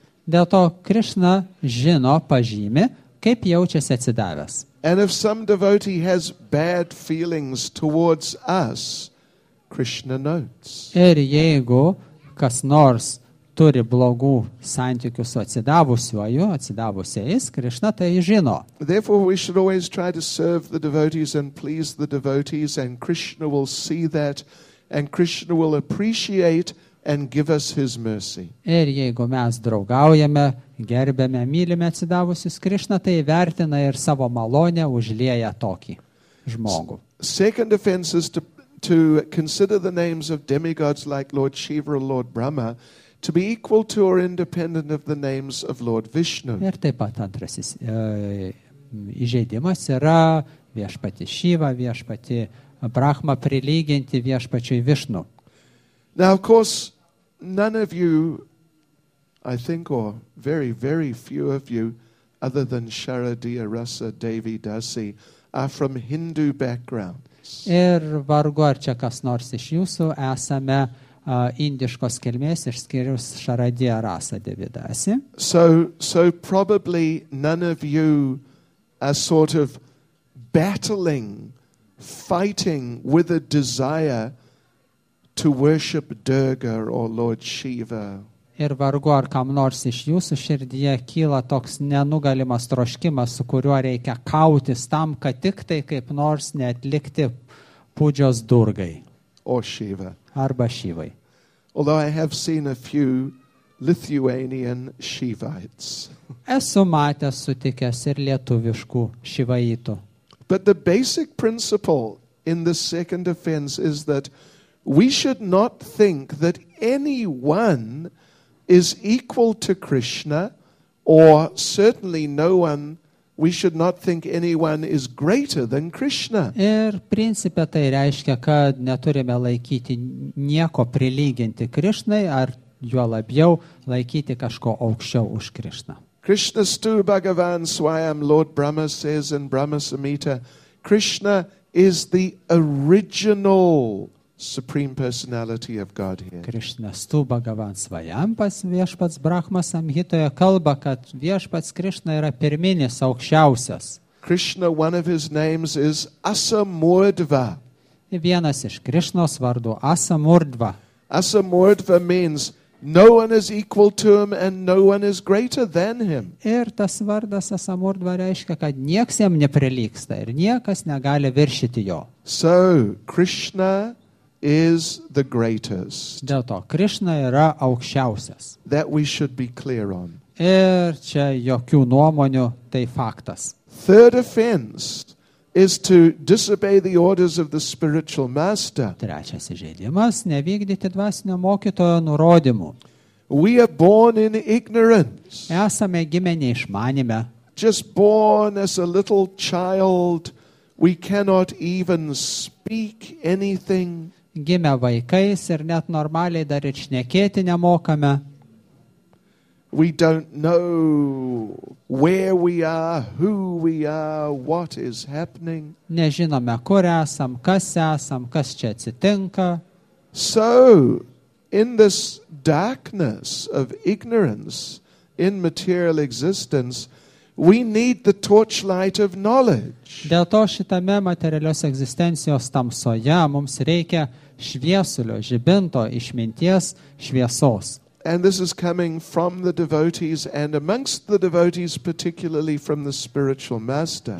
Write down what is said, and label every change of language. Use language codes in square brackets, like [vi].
[lt] Dėl to Krishna žino, pažymi, kaip jaučiasi atsidavęs. [en] And if some devotee has bad feelings towards us, Krishna notes. [lt] Ir jeigu kas nors turi blogų santykių su atsidavusiuoju, atsidavusiais, Krishna tai žino. [en] Therefore we should always try to serve the devotees and please the devotees, and Krishna will see that, and Krishna will appreciate and give us his mercy. [lt] Ir jeigu mes draugaujame, gerbiame, mylime atsidavusius, Krišna tai vertina ir savo malonę užlieja tokį žmogų. [en] Second offense is to consider the names of demigods like Lord Shiva or Lord Brahma to be equal to or independent of the names of Lord Vishnu. [lt] Ir taip pat antrasis įžeidimas yra viešpatį Šyvą, viešpatį Brahmą prilyginti viešpačiui Vishnu. [en] Now, of course, none of you, I think, or very, very few of you, other than Sharadiya Rasa Devi Dasi, are from Hindu backgrounds. [lt] Ir vargu ar čia kas nors iš jūsų esame indiškos kilmės, išskyrus Sharadiya Rasa Devi Dasi. [en] So probably none of you are sort of battling, fighting with a desire to worship Durga or Lord Shiva. [lt] Ir vargu ar kam nors iš jūsų širdyje kyla toks nenugalimas troškimas, su kuriuo reikia kautis tam, kad tik tai kaip nors neatlikti pūdžios Durgai. [en] Or Shiva. [lt] Arba Shivai. [en] Although I have seen a few Lithuanian Shivites. [lt] Esu matęs sutikęs ir lietuviškų Shivaitų. [en] But the basic principle in the second offense is that we should not think that anyone is equal to Krishna, or certainly no one, we should not think anyone is greater than Krishna. [lt] Ir principe tai reiškia, kad neturime laikyti nieko prilyginti Krishnai, ar juo labiau laikyti kažko aukščiau už Krishna. [sa] Krishna stu Bhagavan Swayam, [en] Lord Brahma says in Brahma Samhita, Krishna is the original Supreme Personality of Godhead. [sa] Krishna stu Bhagavan Swayam, [lt] pas viešpats Brahma Samhitoje kalba, kad viešpats Krishna yra pirminis, aukščiausias. [en] Krishna, one of his names is Asamurdva. [lt] Vienas iš Krishnos vardų Asamurdva. [en] Asamurdva means no one is equal to him and no one is greater than him. [lt] Ir tas vardas Asamurdva reiškia, kad nieks jam neprilyksta ir niekas negali viršyti jo. [en] So, Krishna is the greatest. [lt] Dėl to, Krishna yra aukščiausias. [en] That we should be clear on. [lt] Ir čia jokių nuomonių, tai faktas. [en] Third offense is to disobey the orders of the spiritual master. [lt] Trečias įžeidimas – nevykdyti dvasinio mokytojo nurodymų. [en] We are born in ignorance. [lt] Esame gimę neišmanime. [en] Just born as a little child, we cannot even speak anything. [lt] Gimę vaikais ir net normaliai dar ir šnekėti nemokame. [en] We don't know where we are, who we are, what is happening. [lt] Nežinome, kur esam, kas čia atsitinka. [en] So, in this darkness of ignorance in material existence, we need the torchlight of knowledge. [lt] Dėl to šitame materialios egzistencijos tamsoje mums reikia šviesulio, žibinto, išminties, šviesos. [en] And this is coming from the devotees and amongst the devotees particularly from the spiritual master.